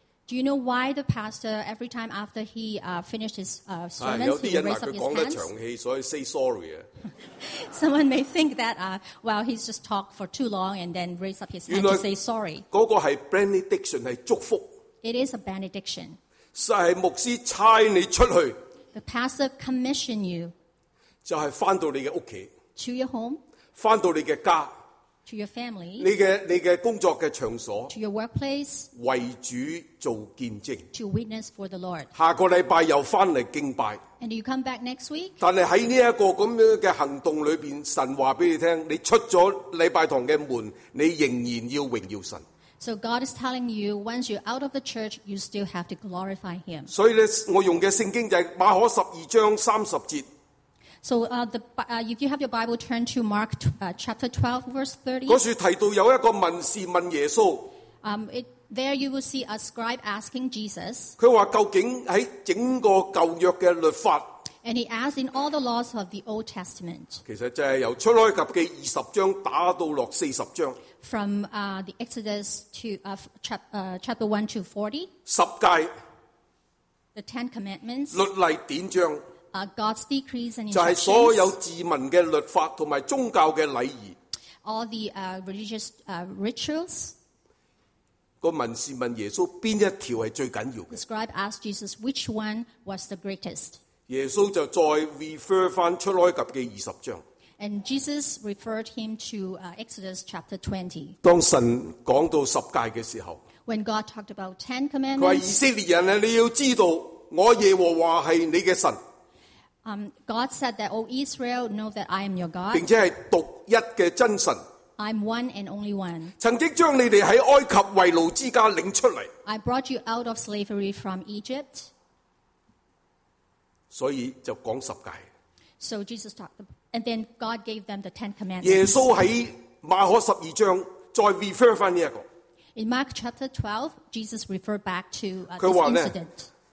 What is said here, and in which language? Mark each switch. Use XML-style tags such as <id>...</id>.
<en>Do you know why the pastor, every time after he finished his sermon, he raised up his hands? So say sorry. Someone may think that, well, he's just talked for too long and then raised up his hand to say sorry.</en> <zh>那个是 benediction, 是祝福。</zh> <en>It is a benediction.</en> <zh>是牧师差你出去。</zh> <en>The pastor commissioned you.</en> <zh>就是回到你的家。</zh> <en>To your home.</en> <zh>回到你的家。</zh> <en>To your family,</en> <zh>你的工作的场所</zh> <en>to your workplace,</en> <zh>为主做见证</zh> <en>to witness for the Lord.</en> <zh>下个礼拜又回来敬拜</zh> <en>and you come back next week.</en> <zh>但是在这个这样的行动里面神告诉你你出了礼拜堂的门你仍然要荣耀神</zh> <en>So God is telling you once you're out of the church you still have to glorify him.</en> <zh>所以呢我用的圣经就是马可十二章三十节</zh> <en>So, if you have your Bible, turn to Mark chapter 12, verse 30.</en> <zh>那处提到有一个文士问耶稣。</zh> <en>There you will see a scribe asking Jesus.</en> <zh>他说究竟在整个旧约的律法。</zh> <en>And he asked in all the laws of the Old Testament.</en> <zh>其实就是由出埃及记二十章打到落四十章。</zh> <en>From the Exodus to chapter 1 to 40.</en> <zh>十诫。</zh> <en>The Ten Commandments.</en> <zh>律例典章。</zh> <en>God's decrees and</en> <zh>就是所有自民的律法和宗教的礼仪</zh> <en>All the religious rituals</en> <zh>文士问耶稣哪一条是最重要的</zh> <en>The scribe asked Jesus which one was the greatest</en> <zh>耶稣就再 refer 回出埃及的二十章</zh> <en>And Jesus referred him to Exodus chapter 20</en> <zh>当神讲到十诫的时候</zh> <en>When God talked about Ten Commandments</en> <zh>他说以色列人你要知道我耶和华是你的神。</zh> <en>God said that, O Israel, know that I am your God.</en> <zh>并且是独一的真神。</zh> <en>I'm one and only one.</en> <zh>曾经将你们在埃及为奴之家领出来。</zh> <en>I brought you out of slavery from Egypt.</en> <zh>所以就讲十诫。</zh> <en>So Jesus taught them. And then God gave them the Ten Commandments.</en> <zh>耶稣在马可十二章再 refer 翻这个。</zh> <en>In Mark chapter 12, Jesus referred back to this incident.</en>